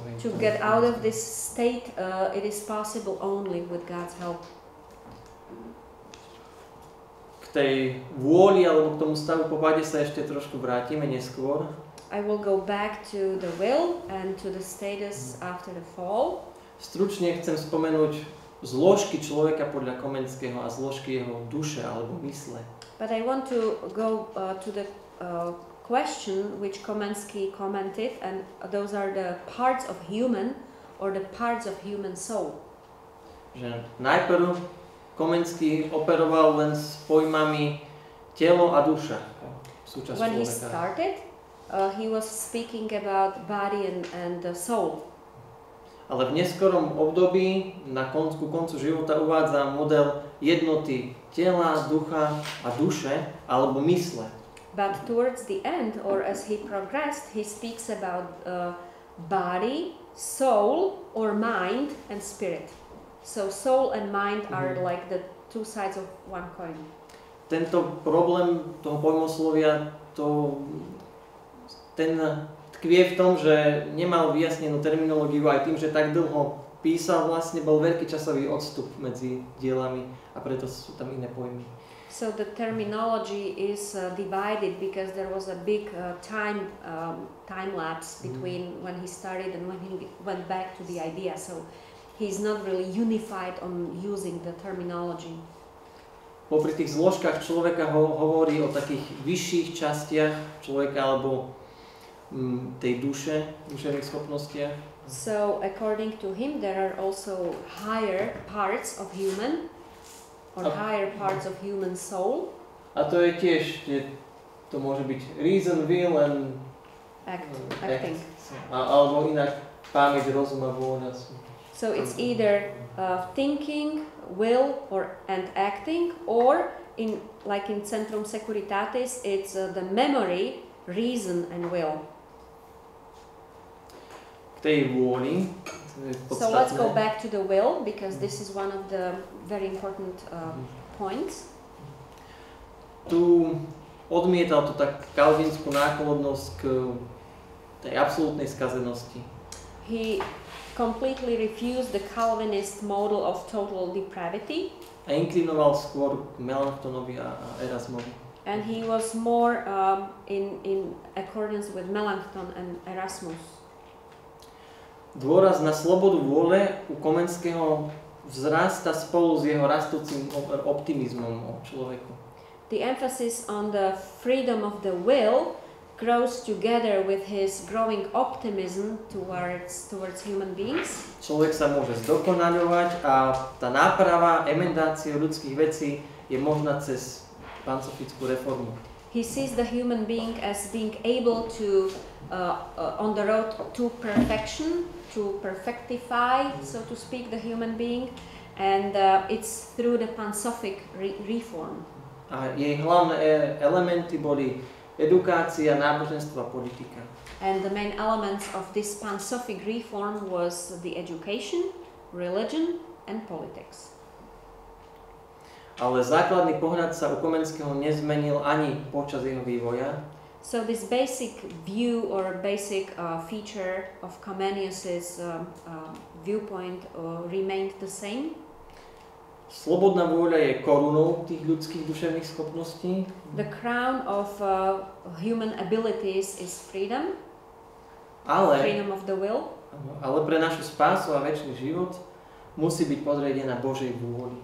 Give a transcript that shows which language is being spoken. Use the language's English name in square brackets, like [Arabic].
[English] To get out of this state, it is possible only with God's help. [Slovak] K tej vôli alebo k tomu stavu po páde sa ešte trošku vrátime neskôr. [English] I will go back to the will and to the status after the fall. [Slovak] Stručne chcem spomenúť zložky človeka podľa Komenského a zložky jeho duše alebo mysle. [English] But I want to go to the question which Komenský commented, and those are the parts of human or the parts of human soul. [Slovak] Že najprv Komenský operoval len s pojmami telo a duša. Súčasť [English] when [Slovak] človeka. [English] He started, he was speaking about body and the soul. [Slovak] Ale v neskorom období, na koncu života, uvádza model jednoty tela, ducha a duše, alebo mysle. [English] But towards the end, or as he progressed, he speaks about body, soul, or mind and spirit. So soul and mind are like the two sides of one coin. [Slovak] Tento problém toho pojmoslovia, to, ten kvie v tom, že nemal vyjasnenú terminológiu aj tým, že tak dlho písal, vlastne bol veľký časový odstup medzi dielami a preto sú tam iné pojmy. [English] So the terminology is divided because there was a big time lapse between when he started and when he went back to the idea. So he's not really unified on using the terminology. [Slovak] Popri tých zložkách človeka hovorí o takých vyšších častiach človeka alebo tej duše, duševných schopnostiach. [English] So according to him there are also higher parts of human or higher parts of human soul. [Slovak] A to je tiež, to môže byť [English] reason, will and act, acting. [Slovak] Alebo inak pamäť, rozum a vôľa. [English] So it's either thinking, will or and acting, or in like in Centrum Securitatis it's the memory, reason and will. [Slovak] K tej vôli. [English] So let's go back to the will, because this is one of the very important points. [Slovak] Tu odmietal tú tak kalvinskú náklonnosť k tej absolútnej skazenosti. [English] He completely refused the Calvinist model of total depravity. [Slovak] A inklinoval skôr k Melanchtonovi a Erasmovi. [English] And he was more in accordance with Melanchthon and Erasmus. [Slovak] Dôraz na slobodu vôle u Komenského vzrasta spolu s jeho rastúcim optimizmom o človeku. [English] The emphasis on the freedom of the will grows together with his growing optimism towards human beings. [Slovak] Človek sa môže zdokonaľovať a tá náprava, emendácia ľudských vecí je možná cez pancofickú reformu. [English] He sees the human being as being able to on the road to perfection, to perfectify, so to speak, the human being, and it's through the pancofic reform. [Slovak] A jej hlavné elementy boli edukácia, náboženstvo a politika. [English] And the main elements of this pan-Sophic reform was the education, religion and politics. [Slovak] Ale základný pohľad sa u Komenského nezmenil ani počas jeho vývoja. [English] So this basic view or basic feature of Comenius's viewpoint remained the same. [Slovak] Slobodná vôľa je korunou tých ľudských duševných schopností. [English] The crown of human abilities is freedom. [Slovak] Ale [English] freedom of the will. [Slovak] Ale pre našu spásu a večný život musí byť podriadená Božej vôli.